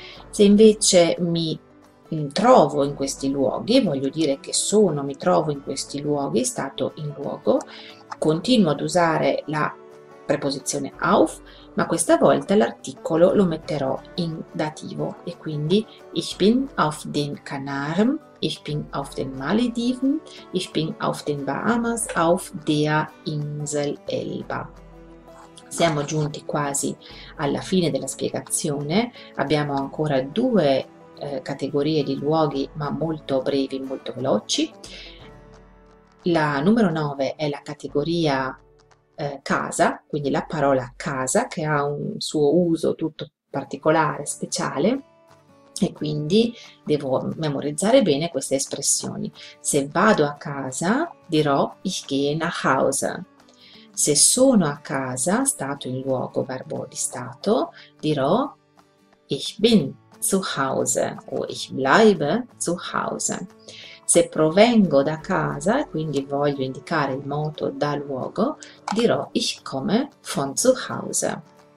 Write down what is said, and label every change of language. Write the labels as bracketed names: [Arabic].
[Italian] Se invece mi trovo in questi luoghi, voglio dire che sono, mi trovo in questi luoghi, stato in luogo, continuo ad usare la preposizione auf, ma questa volta l'articolo lo metterò in dativo e quindi [German] ich bin auf den Kanaren. Ich bin auf den Malediven, ich bin auf den Bahamas, auf der Insel Elba. [Italian] Siamo giunti quasi alla fine della spiegazione. Abbiamo ancora due categorie di luoghi, ma molto brevi, molto veloci. La numero 9 è la categoria casa, quindi la parola casa, che ha un suo uso tutto particolare, speciale. E quindi devo memorizzare bene queste espressioni. Se vado a casa, dirò [German] ich gehe nach Hause. [Italian] Se sono a casa, stato in luogo, verbo di stato, dirò [German] ich bin zu Hause [Italian] o [German] ich bleibe zu Hause. [Italian] Se provengo da casa, quindi voglio indicare il moto da luogo, dirò [German] ich komme von zu Hause.